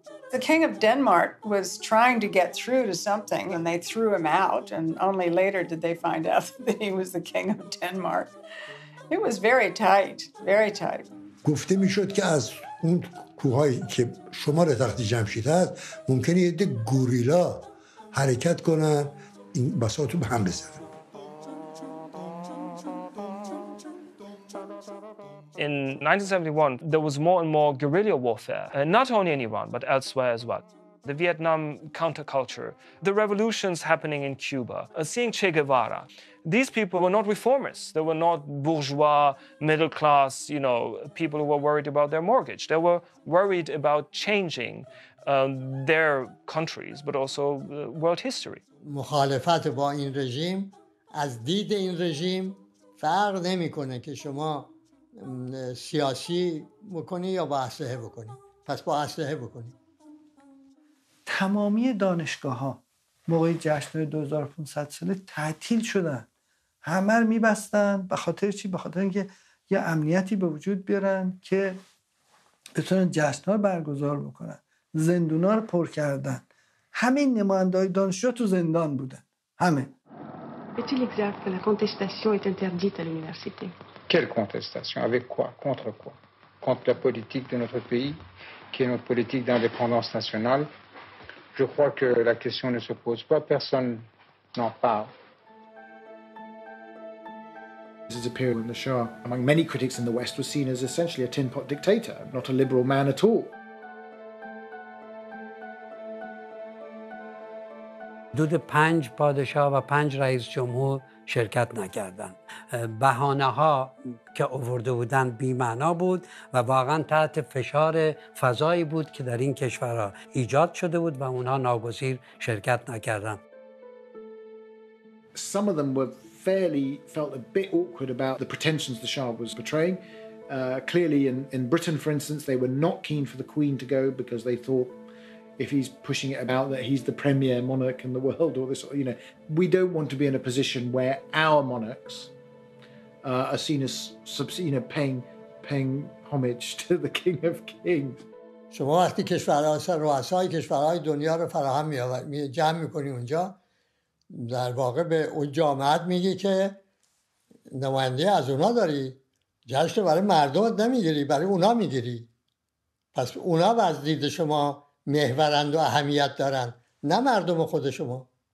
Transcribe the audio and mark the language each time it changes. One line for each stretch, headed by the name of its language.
English: The King of Denmark was trying to get through to something, and they threw him out, and only later did they find out that he was the King of Denmark. It was very tight, very tight.
Persian: گفته میشد که از اون کوهایی که شمار تخت جمشید هست ممکنه یه گوریلا حرکت کنن این بساطو به هم بزنن.
English: In 1971, there was more and more guerrilla warfare, not only in Iran, but elsewhere as well. The Vietnam counterculture, the revolutions happening in Cuba, seeing Che Guevara. These people were not reformers. They were not bourgeois, middle class, you know, people who were worried about their mortgage. They were worried about changing their countries, but also world history.
Persian: مخالفت با این رژیم از دید این رژیم فرق نمیکنه که شما سیاسی بکنی یا با اسلحه بکنی. پس با اسلحه بکنی. تمامی دانشگاه ها موقع جشن 2500 ساله تعطیل شدن. همه رو میبستن. به خاطر چی؟ به خاطر اینکه یه امنیتی به وجود بیارن که بتونن جشن ها رو برگزار بکنن. زندونا رو پر کردن. همین نماینده های دانشجو تو زندان بودن. همه.
French: Est-il exact que la contestation est interdite à l'université? Quelle contestation? Avec quoi? Contre quoi? Contre la politique de notre pays, qui est notre politique d'indépendance nationale. Je crois que la question ne se pose pas. Personne n'en parle.
English: This is a period when the Shah, among many critics in the West, was seen as essentially a tin-pot dictator, not a liberal man at all.
Persian: دود پنج پادشاه و پنج رئیس جمهور شرکت نکردند. بهانه ها که آورده بودند بی‌معنا بود و واقعا تحت فشار فضایی بود که در این کشورها ایجاد شده بود و اونها ناگزیر شرکت نکردند.
English: Some of them were fairly felt a bit awkward about the pretensions the Shah was betraying. Clearly in Britain for instance they were not keen for the Queen to go because they thought if he's pushing it about that he's the premier monarch in the world or this, you know, we don't want to be in a position where our monarchs are seen as, you know, paying homage to the King of Kings.
Persian: شما وقتی کشورها سر رؤسای کشورهای دنیا رو فراهم میآورید می جمع میکنی اونجا در واقع به اون جامعه میگی که نماینده از اونها داری جشن برای مردم نمیگیری برای اونها میگیری پس اونها از دید شما محورند و اهمیت دارند نه مردم خود شما.